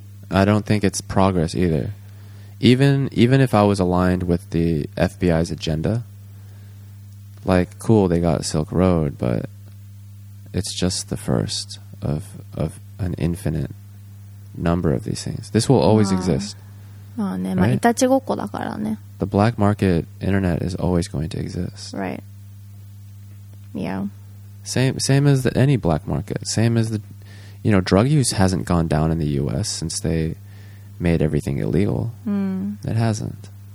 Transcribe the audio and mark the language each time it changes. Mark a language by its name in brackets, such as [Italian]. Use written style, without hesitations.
[English] I don't think it's progress either. Even if I was aligned with the FBI's agenda... Like, cool, they got Silk Road, but it's just the first of an infinite number of these things. This will always exist. [Japanese] まあね、まあ、いたちごっこだからね。 [English] The black market internet is always going to exist. Right. Yeah. Same as any black market. Same as you know, drug use hasn't gone down in the U.S. since they made everything illegal. It hasn't.